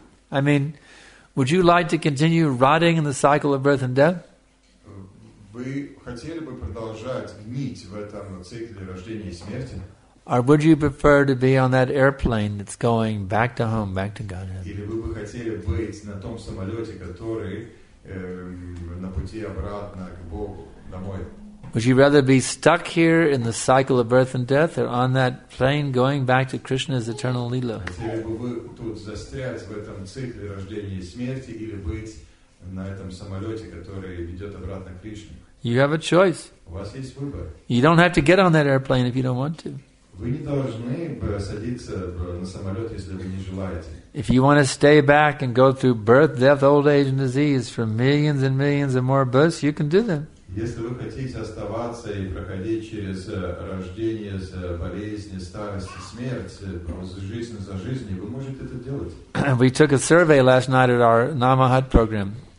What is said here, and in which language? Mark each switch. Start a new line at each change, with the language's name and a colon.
English: I mean, would you like to continue rotting in the cycle of birth and death?
Russian: Вы хотели бы продолжать гнить в этом цикле рождения и смерти?
English: Or would you prefer to be on that airplane that's going back to home, back to Godhead?
Russian: Или вы бы хотели быть на том самолете, который на пути обратно к Богу домой?
English: Would you rather be stuck here in the cycle of birth and death, or on that plane going back to Krishna's eternal lila?
Russian: Хотели бы вы тут застрять в этом цикле рождения и смерти, или быть на этом самолете, который ведет обратно к Кришне?
English: You have a choice.
Russian: У вас есть выбор.
English: You don't have to get on that airplane if you don't want to.
Russian: Вы не должны садиться на самолет, если вы не желаете.
English: If you want to stay back and go through birth, death, old age and disease for millions and millions and more births, you can do that.
Russian: Если вы хотите оставаться и проходить через рождение, болезни, старость и смерть жизнь за жизнью, вы можете это делать.
English: We took a survey last night at our Namahat program.